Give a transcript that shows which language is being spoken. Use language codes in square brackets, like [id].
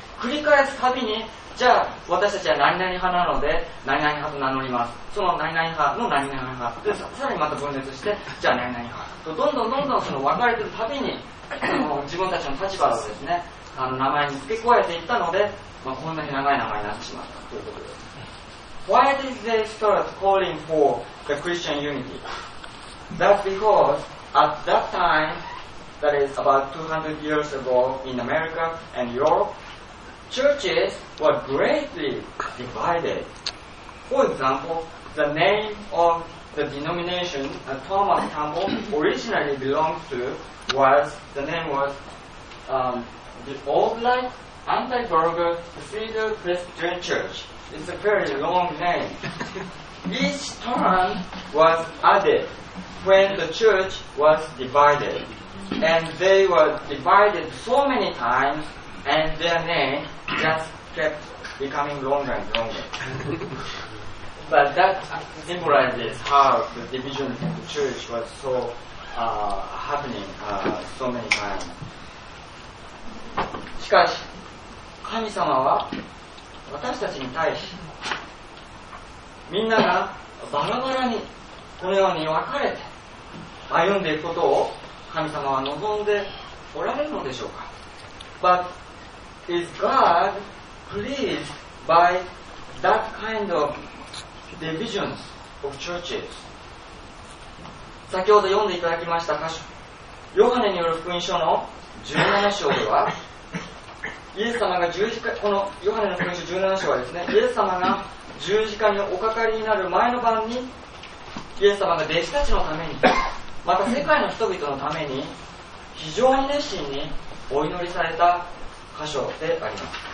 [ja] 繰り返すたびに、じゃあ私たちは何々派なので何々派と名乗ります、その何々派の何々派で、さらにまた分裂して、じゃあ何々派と、どんどんどんどんその分かれてるたびに、自分たちの立場をですね、名前に付け加えていったので、こんなに長い名前になってしまったということです。 [en] Why did they start calling for the Christian unity? That's because at that time, that is about 200 years ago in America and Europe, churches were greatly divided. For example, the name of the denomination Thomas Campbell originally belonged to was, the name was the Old Light Anti-Burger Cathedral Presbyterian Church. It's a very long name. Each term was added when the church was divided. And they were divided so many times, and their name just kept becoming longer and longer. But that symbolizes how the division of the church was so happening so many times. [ja] しかし、神様は私たちに対し、みんながバラバラにこのように分かれて歩んでいくことを神様は望んでおられるのでしょうか。 [en] But is God pleased by that kind of divisions of churches? [ja] 先ほど読んでいただきました箇所、ヨハネによる福音書の17章では、イエス様が十字架、このヨハネの福音書17章はですね、イエス様が十字架におかかりになる前の晩に、イエス様が弟子たちのために、また世界の人々のために非常に熱心にお祈りされた箇所であります。